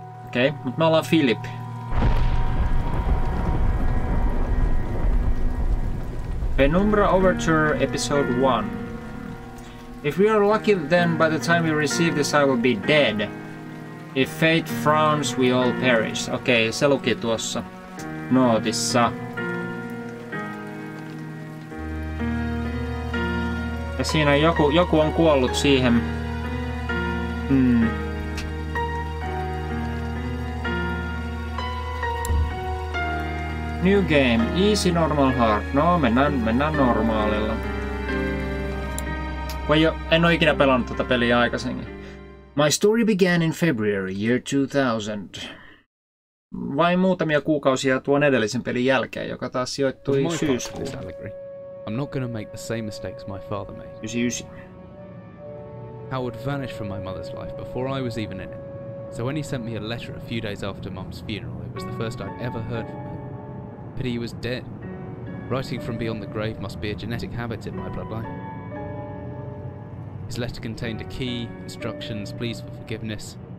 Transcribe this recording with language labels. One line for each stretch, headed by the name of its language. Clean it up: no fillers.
Finnish: Okei, mutta me ollaan Philip.
English: Penumbra Overture Episode 1. If we are lucky, then by the time we receive this, I will be dead. If fate frowns, we all perish.
Finnish: Okei, se luki tuossa nootissa. Ja siinä joku on kuollut siihen.
English: New game. Easy, normal, hard.
Finnish: No, mennään normaalilla. En ole ikinä pelannut tätä peliä aikaisemmin.
English: My story began in February, year 2000.
Finnish: Vain muutamia kuukausia tuon edellisen pelin jälkeen, joka taas sijoittui syyskuun.
English: I'm not going to make the same mistakes my father made. Howard vanished from my mother's life before I was even in it. So when he sent me a letter a few days after Mum's funeral, it was the first I'd ever heard from him. Pity he was dead. Writing from beyond the grave must be a genetic habit in my bloodline. His letter contained a key, instructions, pleas for forgiveness.